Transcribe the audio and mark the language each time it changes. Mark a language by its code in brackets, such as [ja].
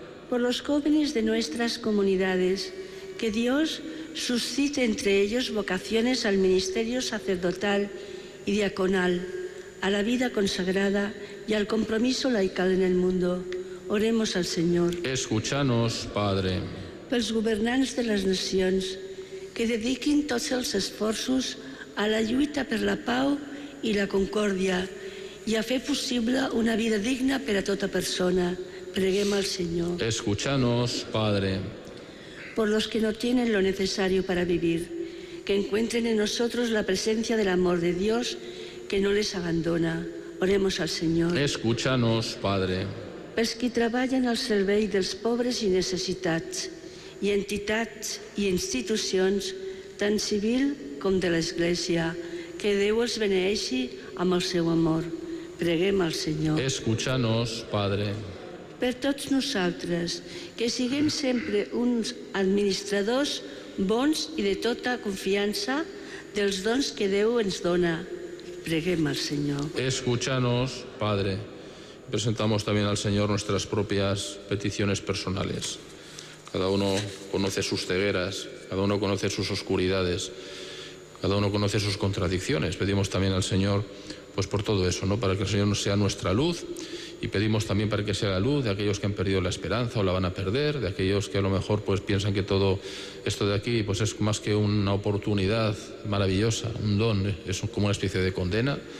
[es] Por los jóvenes de nuestras comunidades, que Dios suscite entre ellos vocaciones al ministerio sacerdotal y diaconal, a la vida consagrada y al compromiso laical en el mundo. Oremos al Señor. Escúchanos, Padre. [ca] Pels governants de les nacions, que dediquin tots els esforços a la lluita per la pau i la concòrdia i a fer possible una vida digna per a tota persona. Preguem al Senyor. [es] Escúchanos, Padre. Por los que no tienen lo necesario para vivir, que encuentren en nosotros la presencia del amor de Dios que no les abandona. Oremos al Señor. Escúchanos, Padre. [ca] Pels qui treballen al servei dels pobres i necessitats, i entitats i institucions, tant civil com de l'Església, que Déu els beneeixi amb el seu amor. Preguem al Senyor. [es] Escúchanos, Padre. [ca] Per tots nosaltres, que siguem sempre uns administradors bons i de tota confiança dels dons que Déu ens dona. Preguem al Senyor. [es] Escúchanos, Padre. Presentamos también al Señor nuestras propias peticiones personales. Cada uno conoce sus cegueras, cada uno conoce sus oscuridades, cada uno conoce sus contradicciones. Pedimos también al Señor, pues por todo eso, ¿no? Para que el Señor sea nuestra luz, y pedimos también para que sea la luz de aquellos que han perdido la esperanza o la van a perder, de aquellos que a lo mejor pues piensan que todo esto de aquí pues es más que una oportunidad maravillosa, un don, es como una especie de condena.